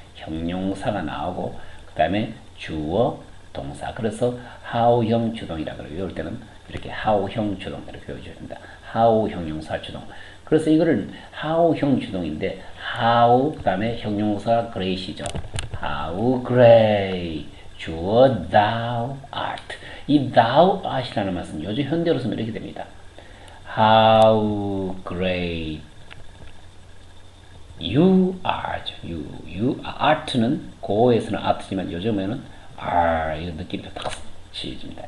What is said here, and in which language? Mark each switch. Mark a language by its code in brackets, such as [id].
[ko] 형용사가 나오고 그 다음에 주어 동사. 그래서 how형 주동이라 그래요. 이럴 때는 이렇게 how형 주동 이렇게 외워줍니다. how 형용사 주동. 그래서 이거를 how형 주동인데 how 그다음에 형용사 great이죠. [en] how great 주어 thou art. [ko] 이 thou art이라는 말씀 요즘 현대로 쓰면 이렇게 됩니다. [en] how great you are [ko] 죠. you art는 고어에서는 art지만 요즘에는 아, 이런 느낌표 탁 치입니다.